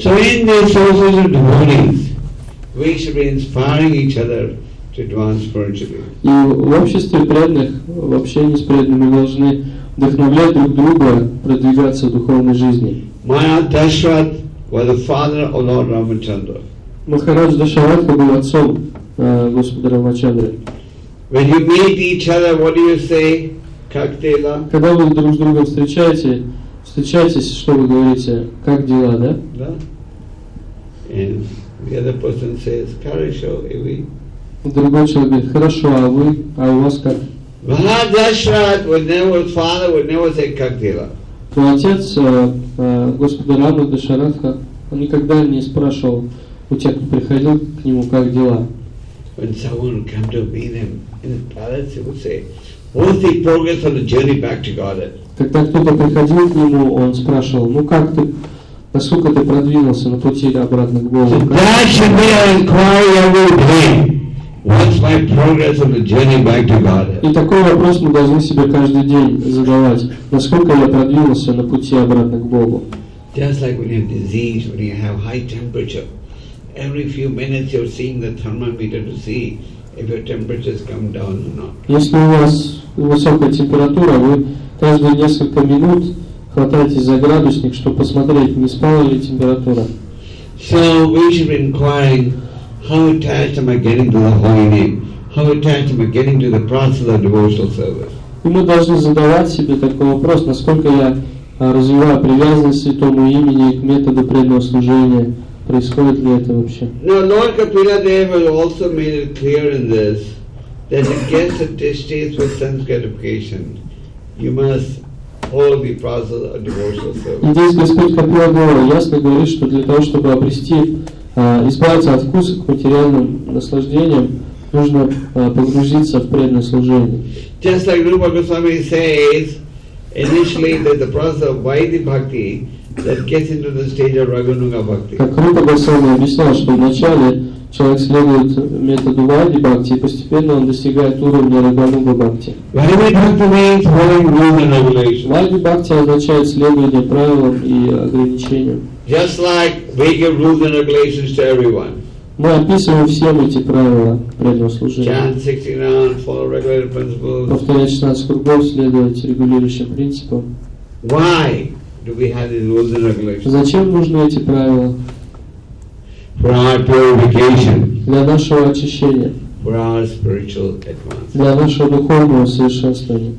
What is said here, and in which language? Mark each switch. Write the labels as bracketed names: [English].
[English] So in the association of devotees, we should be inspiring each other to advance spiritually. [Russian] И в обществе преданных, в общении с преданными, должны вдохновлять друг друга продвигаться в духовной жизни. [English] Maya Dashrath was the father of Lord Ramachandra. [Russian] Махарадж Дашаратха был отцом Господа Рамачандры. [English] When you meet each other, what do you say? [Russian] Как дела? Когда вы друг с другом встречаетесь, что вы говорите? Как дела, да? Да. [English] And the other person says, [Russian] хорошо, и вы? Другой человек говорит, хорошо, а вы? А у вас как? [English] Махарадж Дашаратха would never say, [Russian] как дела? То отец Господа Рама Дашаратха, он никогда не спрашивал у тех, кто приходил к нему, как дела. [English] When someone came to meet him in the palace, he would say, "What's the progress on the journey back to Godhead?" [Russian] Когда кто-то приходил к нему, он спрашивал, ну как ты, насколько ты продвинулся на пути обратно к Богу? [English] That should be our inquiry every day. What's my progress on the journey back to Godhead? [Russian] И такой вопрос мы должны себе каждый день задавать. Насколько я продвинулся на пути обратно к Богу? [English] Just like when you have disease, when you have high temperature, every few minutes you're seeing the thermometer to see if your temperature has come down or not. [Russian] Если у вас высокая температура, вы каждые несколько минут хватаетесь за градусник, чтобы посмотреть, не спала ли температура. [English] So we should be inquiring, how attached am I getting to the holy name? How attached am I getting to the process of devotional service? [Russian] И мы должны задавать себе такой вопрос, насколько я развиваю привязанность к святому имени и к методу преданного служения. Происходит ли это вообще? [English] Now Lord Kapila Dev has also made it clear in this that to get the distaste with sense gratification, you must follow the process of devotional service. [Russian] Здесь Господь Капила Дева ясно говорит, что для того, чтобы обрести избавиться от вкуса к материальным наслаждениям, нужно погрузиться в преданное служение. [English] Just like Rupa Goswami says, initially that the process of Vaidhi Bhakti that gets into the stage of Raghunuga Bhakti. [Russian] Как Рупа Госвами объяснял, что вначале человек следует методу Вайди Бхакти, и постепенно он достигает уровня Рагануга Бхакти. Вайди Бхакти означает следование правилам и ограничениям. [English] Just like we give rules and regulations to everyone. [Russian] Мы описываем всем эти правила преданного служения. [English] Chant 69, follow regulated principles. [Russian] Повторять 16 кругов, следовать регулирующим принципам. [English] Why do we have these rules and regulations? [Russian] Зачем нужны эти правила? [English] For our purification. [Russian] Для нашего очищения. [English] For our spiritual advancement. [Russian] Для нашего духовного совершенствования.